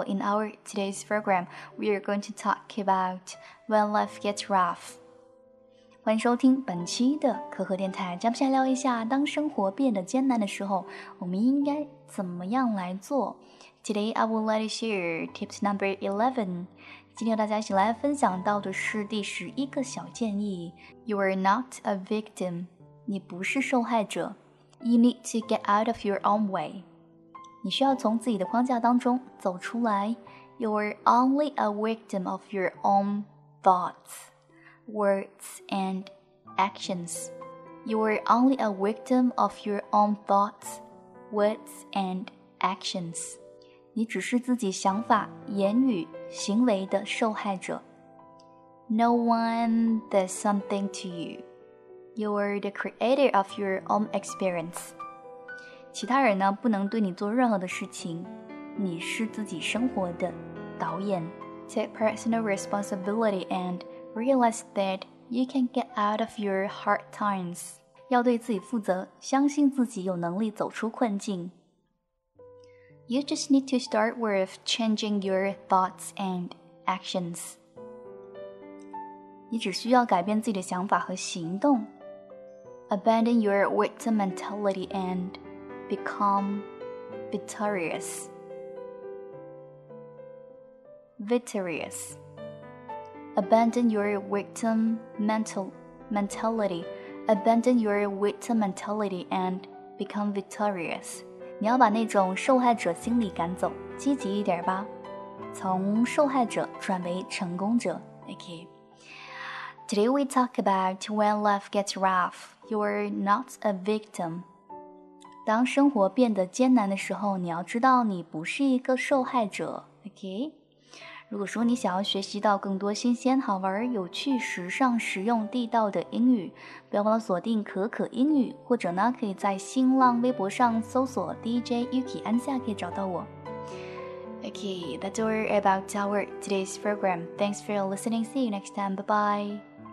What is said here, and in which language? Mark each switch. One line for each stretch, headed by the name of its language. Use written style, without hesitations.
English: In our today's program, we are going to talk about when life gets rough.
Chinese: 欢迎收听本期的可可电台，咱们先聊一下，当生活变得艰难的时候，我们应该怎么样来做。
English: Today, I will let you share tips number 11.
Chinese: 今天和大家一起来分享到的是第十一个小建议。
English: You are not a victim.
Chinese: 你不是受害者。
English: You need to get out of your own way.
Chinese: 你需要从自己的框架当中走出来。
English: You are only a victim of your own thoughts. Words and actions. You are only a victim of your own thoughts, words and actions.
Chinese: 你只是自己想法、言语、行为的受害者。
English: No one does something to you. You are the creator of your own experience.
Chinese: 其他人呢，不能对你做任何的事情。你是自己生活的导演。
English: Take personal responsibility andRealize that you can get out of your hard times.
Chinese: 要对自己负责，相信自己有能力走出困境。
English: You just need to start with changing your thoughts and actions.
Chinese: 你只需要改变自己的想法和行动。
English: Abandon your victim mentality and become victorious. Victorious. Abandon your victim mentality. Abandon your victim mentality and become victorious.
Chinese: 你要把那种受害者心理赶走，积极一点吧。从受害者转为成功者。
English: Okay. Today we talk about when life gets rough. You're not a victim.
Chinese: 当生活变得艰难的时候，你要知道你不是一个受害者。
English: Okay.
Chinese: 如果说你想要学习到更多新鲜、好玩、有趣、时尚、实用、地道的英语，不要忘了锁定可可英语，或者呢，可以在新浪微博上搜索 DJ Yuki 安夏，可以找到我。
English: Okay, that's all about our today's program. Thanks for listening. See you next time. Bye bye.